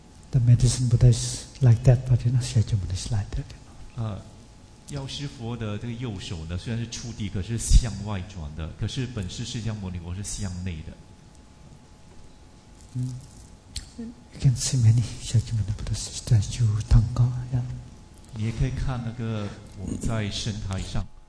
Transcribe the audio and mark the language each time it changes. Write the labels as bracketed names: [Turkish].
[English] The medicine Buddha is like that, but you know, Shakyamuni is like that. [Chinese] 药师佛的这个右手呢，虽然是触地，可是向外转的，可是本师释迦牟尼佛是向内的。 [English] You can see many Shakyamuni Buddha statue, Tanka, yeah. [Chinese] 你也可以看那个我们在神台上。